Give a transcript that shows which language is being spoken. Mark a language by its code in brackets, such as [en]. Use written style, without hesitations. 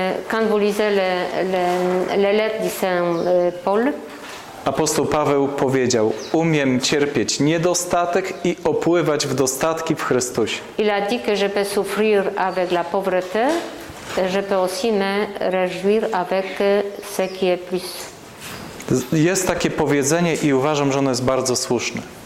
[fr] Quand vous lisez les lettres de Saint Paul. [pl] Apostoł Paweł powiedział: umiem cierpieć niedostatek i opływać w dostatki w Chrystusie. [fr] Il a dit que je peux souffrir avec la pauvreté, je peux aussi me réjouir avec ce qui est plus. [pl] Jest takie powiedzenie i uważam, że ono jest bardzo słuszne.